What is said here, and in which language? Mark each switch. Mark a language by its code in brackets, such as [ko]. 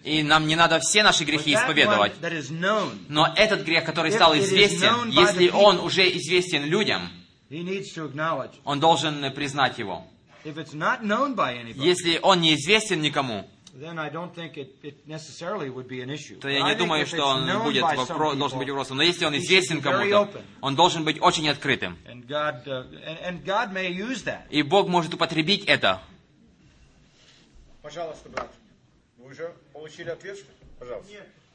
[ru] И нам не надо все наши грехи исповедовать. [en] That is known, [ru] но этот грех, который стал известен, если он уже известен людям, [en] he needs to acknowledge. [ru] Он должен признать его. [en] If it's not known by anybody, [ru] если он не известен никому, [en] then I don't think it necessarily would be an issue. [ru] То я не думаю, что он будет должен быть вопросом. Но если он известен кому-то, он должен быть очень открытым. [en] And God may use that. [ru] И Бог может употребить это. Пожалуйста, брат. Вы уже получили ответ? Пожалуйста. Нет.